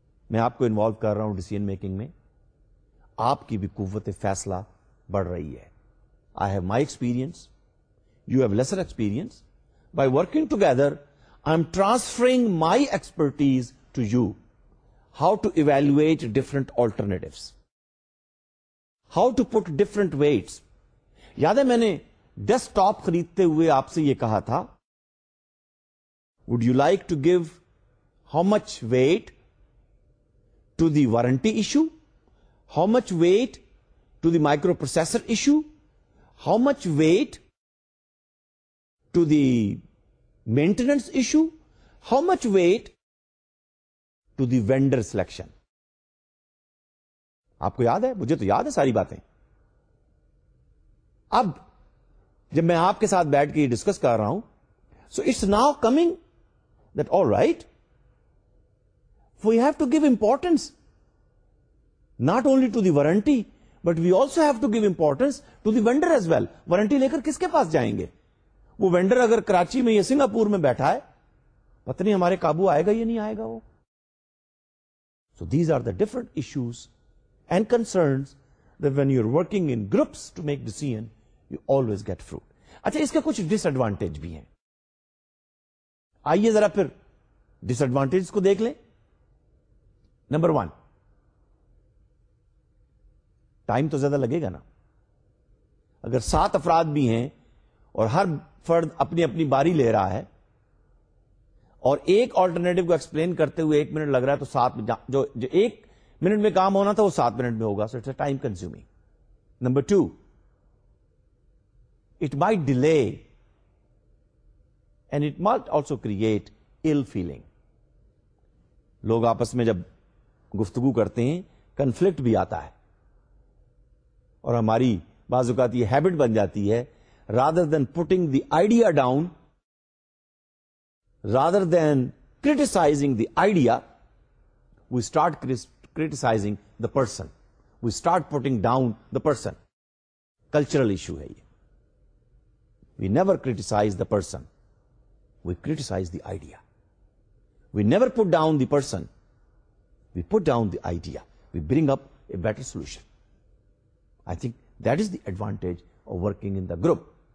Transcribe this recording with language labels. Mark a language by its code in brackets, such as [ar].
[ur] میں آپ کو انوالو کر رہا ہوں ڈیسیژن میکنگ میں آپ کی بھی قوت فیصلہ بڑھ رہی ہے [en] I have my experience you have lesser experience by working together I am transferring my expertise to you how to evaluate different alternatives how to put different weights [ur] یاد ہے میں نے ڈیسک ٹاپ خریدتے ہوئے آپ سے یہ کہا تھا [en] Would you like to give how much weight to the warranty issue how much weight to the microprocessor issue how much weight to the maintenance issue, how much weight to the vendor selection. [ur] آپ کو یاد ہے؟ مجھے تو یاد ہے ساری باتیں. اب جب میں آپ کے ساتھ بیٹھ کے ڈسکس کر رہا ہوں, [en] So it's now coming that all right we have to give importance not only to the warranty but we also have to give importance to the vendor as well. [ur] Warranty لے کر کس کے پاس جائیں گے؟ وہ وینڈر اگر کراچی میں یا سنگاپور میں بیٹھا ہے, پتہ نہیں ہمارے قابو آئے گا یا نہیں آئے گا وہ. [en] So these are the different issues and concerns that when you are working in groups to make decision you always get fruit. [ur] اچھا, اس کے کچھ ڈس ایڈوانٹیج بھی ہیں. آئیے ذرا پھر ڈس ایڈوانٹیج کو دیکھ لیں. نمبر ون, ٹائم تو زیادہ لگے گا نا. اگر سات افراد بھی ہیں اور ہر فرد اپنی اپنی باری لے رہا ہے اور ایک آلٹرنیٹو کو ایکسپلین کرتے ہوئے ایک منٹ لگ رہا ہے, تو سات جو ایک منٹ میں کام ہونا تھا وہ سات منٹ میں ہوگا. [en] So it's a time consuming. Number two, it might delay and it might also create ill feeling. [ur] لوگ آپس میں جب گفتگو کرتے ہیں کنفلکٹ بھی آتا ہے, اور ہماری بعض اوقات یہ ہیبٹ بن جاتی ہے [en] Rather than putting the idea down, rather than criticising the idea we start criticising the person, we start putting down the person. [ur] Cultural issue ہے یہ. [en] We never criticise the person, we criticise the idea. We never put down the person, we put down the idea. We bring up a better solution. I think that is the advantage of working in the group.